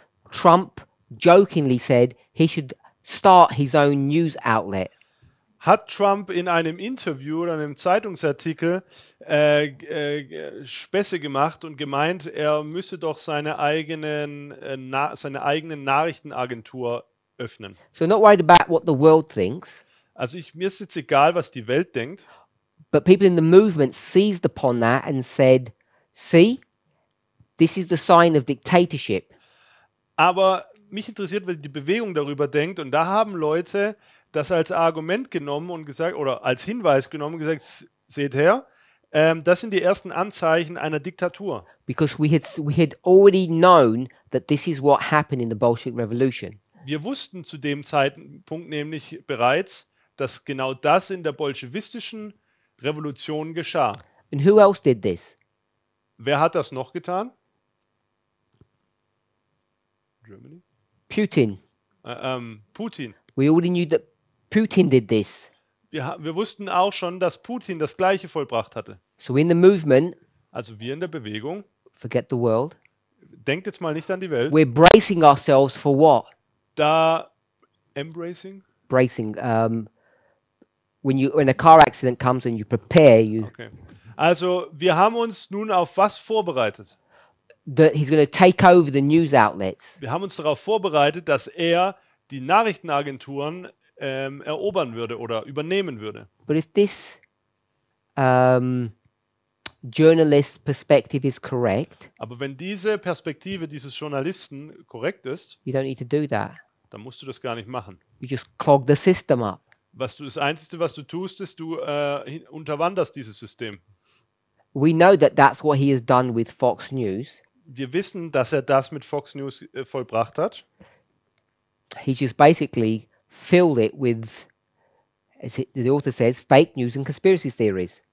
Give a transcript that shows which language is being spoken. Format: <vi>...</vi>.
<en>Trump jokingly said he should start his own news outlet.</en> <de>Hat Trump in einem Interview oder einem Zeitungsartikel Späße gemacht und gemeint, er müsse doch seine eigenen Nachrichtenagentur öffnen.</de> <en>So not worried about what the world thinks.</en> <de>Also mir ist jetzt egal, was die Welt denkt.</de> <en>But people in the movement seized upon that and said, see, this is the sign of dictatorship.</en> <de>Aber mich interessiert, was die Bewegung darüber denkt. Und da haben Leute das als Argument genommen und gesagt, oder als Hinweis genommen und gesagt, seht her, das sind die ersten Anzeichen einer Diktatur.</de> <en>Because we had already known that this is what happened in the Bolshevik Revolution.</en> <de>Wir wussten zu dem Zeitpunkt nämlich bereits, dass genau das in der bolschewistischen Revolution geschah.</de> <en>And who else did this?</en> <de>Wer hat das noch getan?</de> <en>Germany? Putin.</en> <de>Putin.</de> <en>We already knew that Putin did this.</en> <de>Wir wussten auch schon, dass Putin das Gleiche vollbracht hatte.</de> <en>So in the movement.</en> <de>Also wir in der Bewegung.</de> <en>Forget the world.</en> <de>Denkt jetzt mal nicht an die Welt.</de> <en>We're bracing ourselves for what? Da embracing? Bracing. When a car accident comes and you prepare, you.</en> <de>Okay. Also, wir haben uns nun auf was vorbereitet?</de> <en>that he's going to take over the news outlets.</en> <de>Wir haben uns darauf vorbereitet, dass er die Nachrichtenagenturen erobern würde oder übernehmen würde.</de> <en>But if this journalist perspective is correct,</en> <de>aber wenn diese Perspektive dieses Journalisten korrekt ist,</de> <en>you don't need to do that.</en> <de>Dann musst du das gar nicht machen.</de> <en>You just clog the system up.</en> <de>Was du, das Einzige, was du tust, ist, du unterwanderst dieses System.</de> <en>We know that that's what he has done with Fox News.</en> <de>Wir wissen, dass er das mit Fox News vollbracht hat.</de> <en>He just basically filled it with, as the author says, fake news and conspiracy theories.</en>